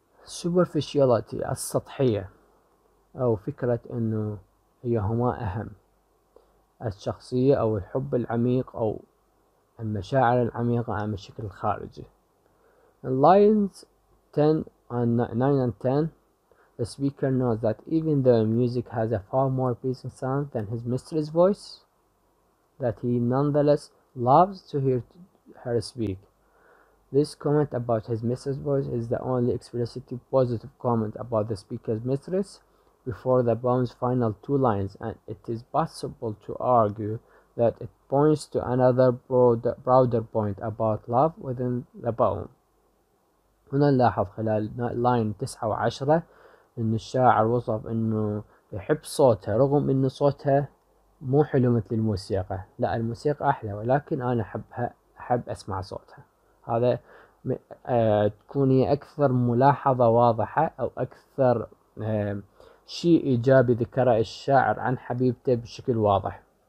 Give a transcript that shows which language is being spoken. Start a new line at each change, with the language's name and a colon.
Arabic: superficiality السطحية أو فكرة أنه هي هما أهم الشخصية أو الحب العميق أو المشاعر العميقة أم الشكل الخارجي.
English: In lines 10 and 9 and 10 the speaker knows that even though music has a far more pleasing sound than his mistress's voice that he nonetheless loves to hear her speak. This comment about his mistress's voice is the only explicitly positive comment about the speaker's mistress before the poem's final two lines, and it is possible to argue that it points to another broader point about love within the poem.
Arabic: هنا نلاحظ خلال line 9 و 10 أن الشاعر وصف أنه يحب صوتها رغم أن صوتها مو حلو مثل الموسيقى لا الموسيقى أحلى ولكن أنا أحب أسمع صوتها هذا تكون أكثر ملاحظة واضحة أو أكثر شيء إيجابي ذكره الشاعر عن حبيبته بشكل واضح.